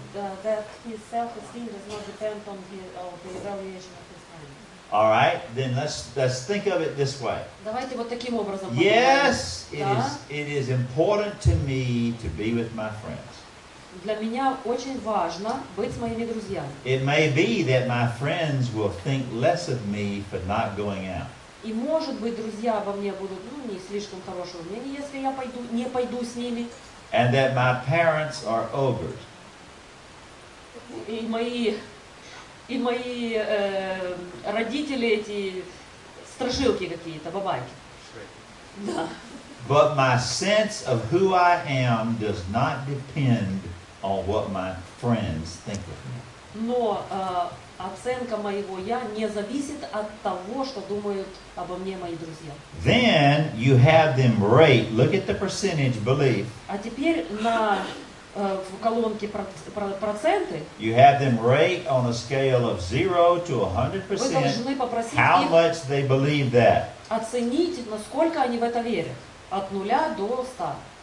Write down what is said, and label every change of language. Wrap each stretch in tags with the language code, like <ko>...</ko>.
<en>That his self-esteem does not depend on the evaluation of his parents. All right, then let's think of it this way.</en> <ru>Давайте вот таким образом.</ru> <en>Yes, it is important to me to be with my friends.</en> <ru>Для меня очень важно быть с моими друзьями.</ru> <en>It may be that my friends will think less of me for not going out.</en> <ru>И может быть, друзья обо мне будут, не слишком хорошего мнения, если я не пойду с ними.</ru> <en>And that my parents are ogres.</en> <ru>И мои родители эти страшилки какие-то, бабайки. Да.</ru> <en>But my sense of who I am does not depend on what my friends think of me.</en> <ru>Но оценка моего я не зависит от того, что думают обо мне мои друзья.</ru> <en>Then you have them rate. Look at the percentage belief.</en> <ru>А теперь на в колонке проценты.</ru> <en>You have them rate on a scale of 0 to 100%.</en> <ru>Вы должны попросить их</ru> <en>how much they believe that.</en> <ru>Оценить, насколько они в это верят, от 0</ru> <en>to</en> <ru>100.</ru>